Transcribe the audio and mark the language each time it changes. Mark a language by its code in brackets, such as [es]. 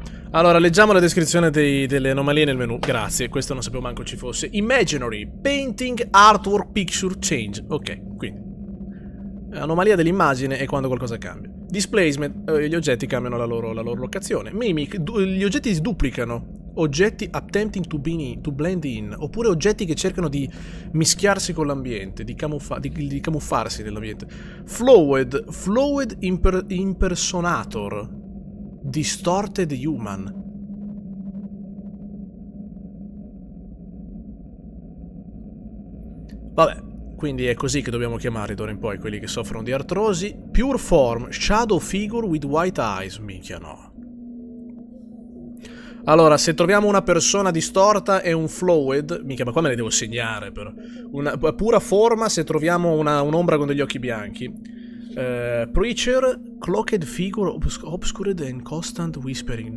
[it] Allora, leggiamo la descrizione delle anomalie nel menu. Grazie, questo non sapevo manco ci fosse. [en] Imaginary, painting, artwork, picture, change. [it] Ok, quindi. Anomalia dell'immagine è quando qualcosa cambia. Displacement, gli oggetti cambiano la loro locazione. Mimic, gli oggetti si duplicano. [en] Oggetti attempting to blend in. [it] Oppure oggetti che cercano di mischiarsi con l'ambiente, di camuffarsi nell'ambiente. [en] Flowed impersonator. Distorted human. [it] Vabbè, quindi è così che dobbiamo chiamare d'ora in poi quelli che soffrono di artrosi. [en] Pure form, shadow figure with white eyes. [it] Minchia no. Allora, se troviamo una persona distorta e un flowed, minchia, ma qua me le devo segnare però. Una pura forma se troviamo un'ombra con degli occhi bianchi. [en] Preacher, cloaked figure, obscured and constant whispering.